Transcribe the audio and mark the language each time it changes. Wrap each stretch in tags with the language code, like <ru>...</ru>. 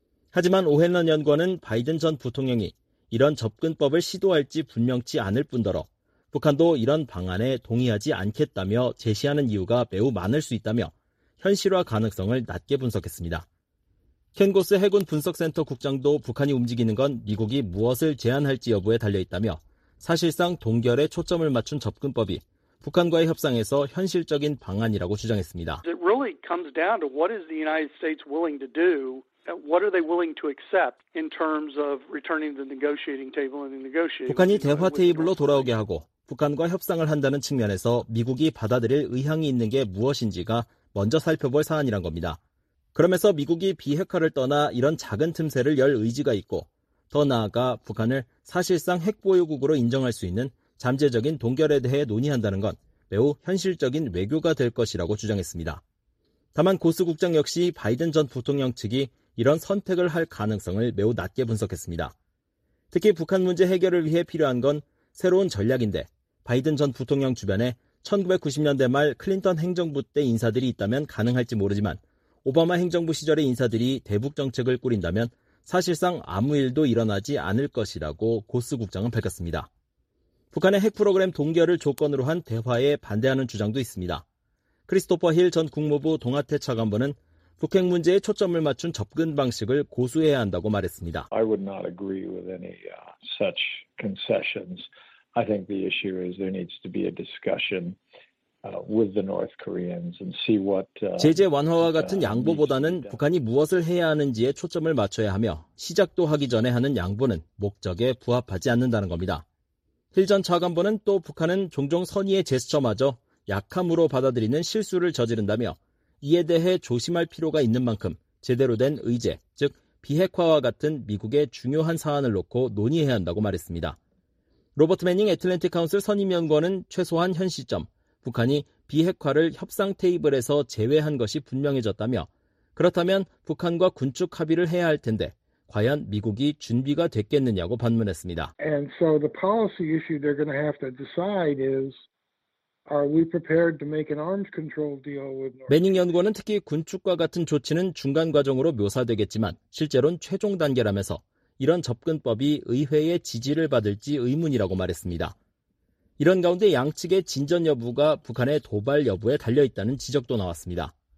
<ko>하지만 오헨런 연구원은 바이든 전 부통령이 이런 접근법을 시도할지 분명치 않을 뿐더러 북한도 이런 방안에 동의하지 않겠다며 제시하는 이유가 매우 많을 수 있다며 현실화 가능성을 낮게 분석했습니다. 켄고스 해군 분석센터 국장도 북한이 움직이는 건 미국이 무엇을 제안할지 여부에 달려있다며 사실상 동결에 초점을 맞춘 접근법이 북한과의 협상에서 현실적인 방안이라고 주장했습니다.</ko> <en>It really comes down to what is the United States willing to do? What are they willing to accept in terms of returning to the negotiating table and negotiating?</en> <ko>북한이 대화 테이블로 돌아오게 하고 북한과 협상을 한다는 측면에서 미국이 받아들일 의향이 있는 게 무엇인지가 먼저 살펴볼 사안이란 겁니다. 그러면서 미국이 비핵화를 떠나 이런 작은 틈새를 열 의지가 있고 더 나아가 북한을 사실상 핵보유국으로 인정할 수 있는 잠재적인 동결에 대해 논의한다는 건 매우 현실적인 외교가 될 것이라고 주장했습니다. 다만 고스 국장 역시 바이든 전 부통령 측이 이런 선택을 할 가능성을 매우 낮게 분석했습니다. 특히 북한 문제 해결을 위해 필요한 건 새로운 전략인데 바이든 전 부통령 주변에 1990년대 말 클린턴 행정부 때 인사들이 있다면 가능할지 모르지만 오바마 행정부 시절의 인사들이 대북정책을 꾸린다면 사실상 아무 일도 일어나지 않을 것이라고 고스 국장은 밝혔습니다. 북한의 핵 프로그램 동결을 조건으로 한 대화에 반대하는 주장도 있습니다. 크리스토퍼 힐 전 국무부 동아태 차관보는 북핵 문제에 초점을 맞춘 접근 방식을 고수해야 한다고 말했습니다.</ko> <en>I would not agree with any such concessions. I think the issue is there needs to be a discussion with the North Koreans and see what</en> <ko>제재 완화와 같은 양보보다는 북한이 무엇을 해야 하는지에 초점을 맞춰야 하며 시작도 하기 전에 하는 양보는 목적에 부합하지 않는다는 겁니다. 힐 전 차관보는 또 북한은 종종 선의의 제스처마저 약함으로 받아들이는 실수를 저지른다며 이에 대해 조심할 필요가 있는 만큼 제대로 된 의제, 즉 비핵화와 같은 미국의 중요한 사안을 놓고 논의해야 한다고 말했습니다. 로버트 매닝 애틀랜틱 카운슬 선임연구원은 최소한 현 시점 북한이 비핵화를 협상 테이블에서 제외한 것이 분명해졌다며 그렇다면 북한과 군축 합의를 해야 할 텐데 과연 미국이 준비가 됐겠느냐고 반문했습니다.</ko> <en>And so the policy issue they're going to have to decide is Are we prepared to make an arms control deal with North Korea?</en> <ko>매닝 연구원은 특히 군축과 같은 조치는 중간 과정으로 묘사되겠지만 실제로는 최종 단계라면서 이런 접근법이 의회의 지지를 받을지 의문이라고 말했습니다. 이런 가운데 양측의 진전 여부가 북한의 도발 여부에 달려있다는 지적도 나왔습니다.</ko>